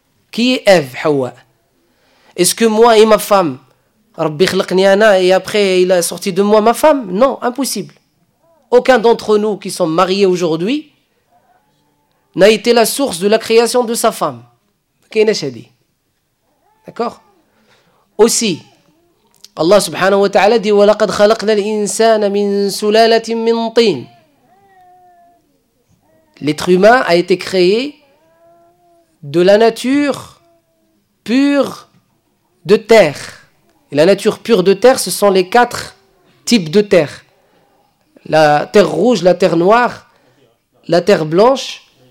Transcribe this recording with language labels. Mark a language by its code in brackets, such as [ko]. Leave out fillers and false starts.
[fr] Qui est Ève, Hawa? Est-ce que moi et ma femme, [ar] Rabbi khalaqniana, [fr] et après il a sorti de moi ma femme? Non, impossible. Aucun d'entre nous qui sommes mariés aujourd'hui n'a été la source de la création de sa femme. Kaynashadi. D'accord? [ar] Aussi, Allah subhanahu wa ta'ala dit: وَلَقَدْ خَلَقْنَا الْإِنسَانَ مِنْ سُلَالَةٍ مِنْ طِينٍ. [fr] L'être humain a été créé de la nature pure de terre. Et la nature pure de terre, ce sont les quatre types de terre: la terre rouge, la terre noire, la terre blanche.